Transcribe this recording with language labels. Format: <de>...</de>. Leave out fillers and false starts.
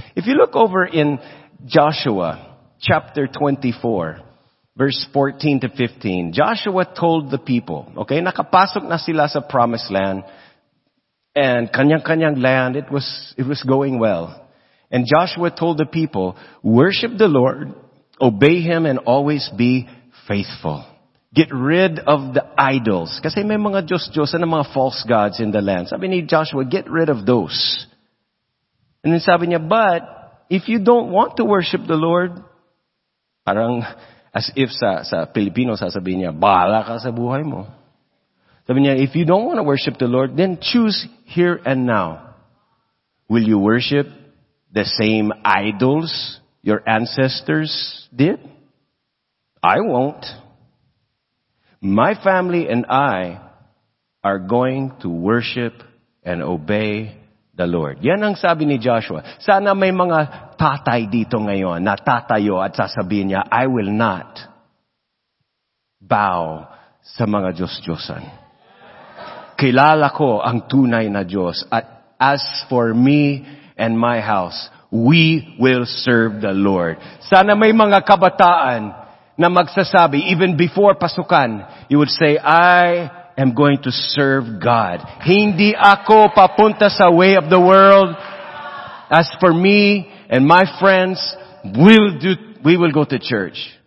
<en>If you look over in Joshua chapter 24, verse 14 to 15, Joshua told the people, okay,</en> <tl>nakapasok na sila sa</tl> <en>promised land, and kanyang-kanyang land, it was going well. And Joshua told the people, worship the Lord, obey Him, and always be faithful. Get rid of the idols.</en> <tl>Kasi may mga Diyos-Diyos na mga</tl> <en>false gods in the land.</en> <tl>Sabi ni</tl> <en>Joshua, get rid of those. And then</en> <tl>sabi niya,</tl> <en>but if you don't want to worship the Lord, parang as if</en> <tl>sa Pilipino sasabi niya, bahala ka sa buhay mo. Sabi niya,</tl> <en>if you don't want to worship the Lord, then choose here and now. Will you worship the same idols your ancestors did? I won't. My family and I are going to worship and obey the Lord.</en> <tl>Yan ang sabi ni Joshua. Sana may mga tatay dito ngayon na tatayo at sasabihin niya,</tl> <en>I will not bow</en> <tl>sa mga Diyos-Diyosan. Kilala ko ang tunay na Diyos.</tl> <en>At as for me and my house, we will serve the Lord.</en> <tl>Sana may mga kabataan na magsasabi,</tl> <en>even before pasukan, you would say, I am going to serve God.</en> <tl>Hindi ako papunta sa</tl> <en>way of the world. As for me and my friends, we will go to church.</en>